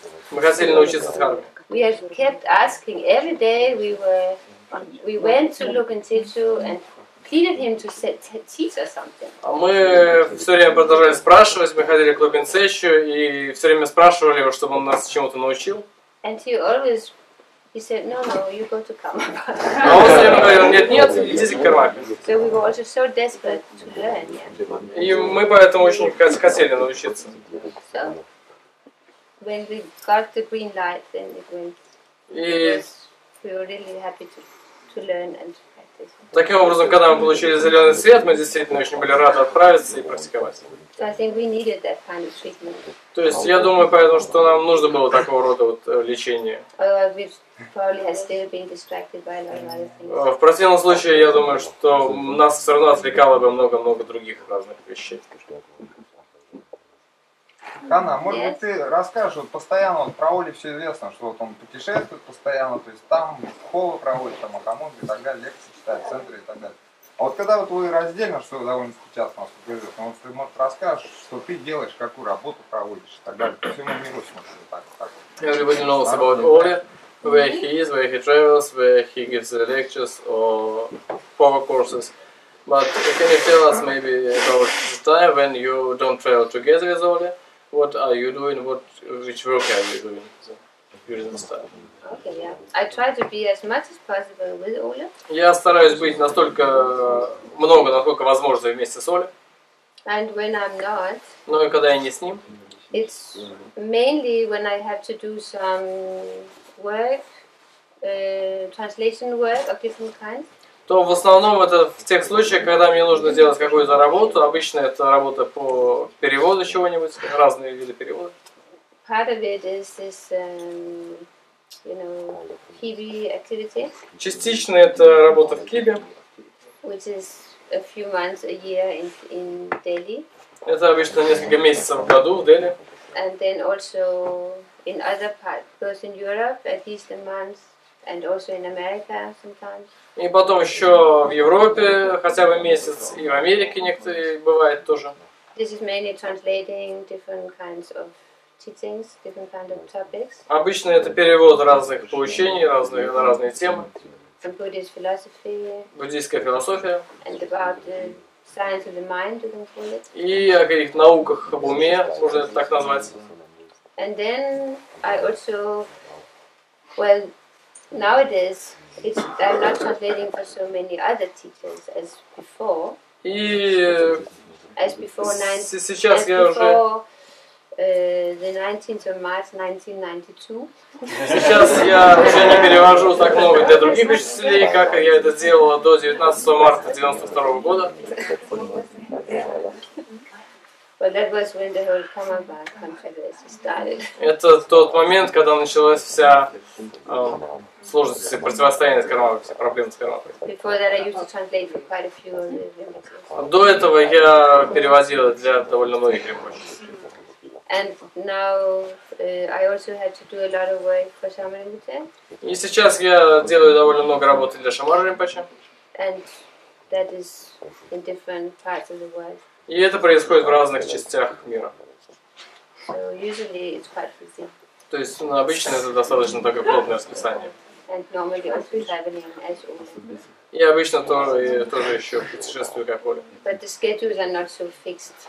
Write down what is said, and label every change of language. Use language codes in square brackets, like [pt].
[ru] Мы хотели научиться дхарме. [en] We have kept asking every day. We went to Lopin Tse Tsu and pleaded him to teach us something. [ru] Мы все время продолжали спрашивать. Мы ходили к Лопин Тсе Тсу и все время спрашивали его, чтобы он нас чему-то научил. [en] And he always he said no, you go to Karma. [ru] Но он все время говорил нет, идите к Кармапе. [en] So we were also so desperate to learn. [ru] И мы поэтому очень хотели научиться. [en] When we got the green light, then it went. Yes. We were really happy to learn and to practice. [ru] Таким образом, когда мы получили зеленый свет, мы действительно очень были рады отправиться и практиковать. [en] So I think we needed that kind of treatment. [ru] То есть я думаю, поэтому что нам нужно было такого рода вот лечение. [en] Although we probably have still been distracted by a lot of other things. [ru] В противном случае, я думаю, что нас все равно отвлекало бы много других разных вещей. Анна, может быть, ты расскажешь, вот постоянно, вот про Оли все известно, что вот он путешествует постоянно, то есть там холлы проводит, там Акамон и так далее, лекции читает, центры и так далее. А вот когда вот вы раздельно, что довольно-таки часто у нас происходит, ну, вот ты, может, расскажешь, что ты делаешь, какую работу проводишь и так далее, по всему миру смотришь, так. [en] Everybody knows about Оли, where he is, where he travels, where he gives the lectures or power courses. But can you tell us maybe about the time when you don't travel together with Оли? What are you doing? Which work are you doing? During this time. Okay, yeah. I try to be as much as possible with Оля. [ru] Я стараюсь быть настолько много, насколько возможно вместе с Олей. [en] And when I'm not, [ru] ну и когда я не с ним, [en] it's mainly when I have to do some work, translation work of different kinds. [ru] То в основном это в тех случаях, когда мне нужно делать какую-то работу. Обычно это работа по переводу чего-нибудь, разные виды перевода. [en] Part of it is this, you know, Kibi activity. [ru] Частично это работа в Kibi. [en] Which is a few months, a year in Delhi. [ru] Это обычно несколько месяцев в году в Дели. [en] And then also in other parts, both in Europe, at least a month, and also in America sometimes. [ru] И потом еще в Европе хотя бы месяц, и в Америке некоторые бывает тоже. [en] This is mainly translating different kinds of teachings, different kinds of topics. [ru] Обычно это перевод разных поучений, разные на разные темы. [en] And Buddhist philosophy. [ru] Буддийская философия. [en] And about the science of the mind, you can call it. [ru] И о каких науках об уме, можно это так назвать. [en] And then I also, well, nowadays. It's, I'm not translating for so many other teachers as before. [ru] И [en] as before [ru] сейчас [en] as [ru] я [en] before, [ru] уже [en] the 19th of March 1992. [ru] Сейчас я уже не перевожу так много для других учителей, как я это делала до 19 марта 92 года. [en] Well, that was when the whole Kamapa controversy started. [ru] Это тот момент, когда началась вся сложности противостояния с Кармапой, проблемы с Кармапой. [en] Before that, I used to translate for quite a few of the [ru] Rinpoches. До этого я перевозила для довольно многих Rinpoches. [en] And now I also had to do a lot of work for Shama Rinpoche. [ru] И сейчас я делаю довольно много работы для Шамара Ринпоче. [en] And that is in different parts of the world. [ru] И это происходит в разных частях мира. [en] So usually it's quite busy. [ru] То есть, ну, обычно это достаточно такое плотное расписание. [en] And normally also traveling as well. [ru] И обычно тоже еще путешествую как Оля. [en] But the schedules are not so fixed.